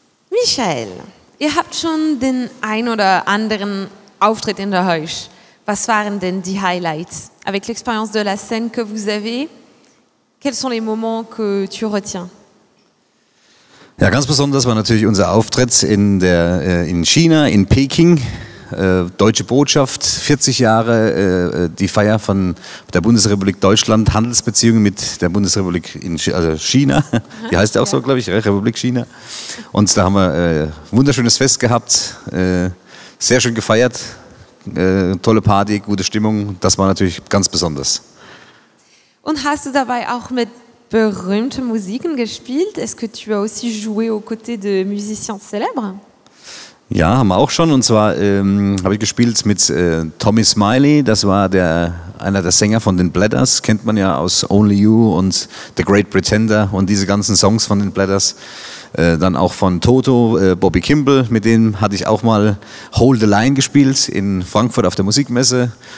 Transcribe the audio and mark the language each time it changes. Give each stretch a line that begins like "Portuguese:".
German: Michael, ihr habt schon den ein oder anderen Auftritt in der Heusch. Was waren denn die Highlights?
French: Avec l'expérience de la scène que vous avez, quels sont les moments que tu retiens?
German: Ja, ganz besonders war natürlich unser Auftritt in China, in Peking. Deutsche Botschaft, 40 Jahre die Feier von der Bundesrepublik Deutschland, Handelsbeziehungen mit der Bundesrepublik in China, die heißt ja auch so, glaube ich, Republik China. Und da haben wir ein wunderschönes Fest gehabt, sehr schön gefeiert, tolle Party, gute Stimmung, das war natürlich ganz besonders. Und hast du dabei auch mit berühmten Musiken gespielt?
French: Est-ce que tu as aussi joué aux côtés de musiciens célèbres?
German: Ja, haben wir auch schon. Und zwar habe ich gespielt mit Tommy Smiley. Das war einer der Sänger von den Platters. Kennt man ja aus Only You und The Great Pretender und diese ganzen Songs von den Platters. Dann auch von Toto, Bobby Kimble. Mit dem hatte ich auch mal Hold the Line gespielt in Frankfurt auf der Musikmesse.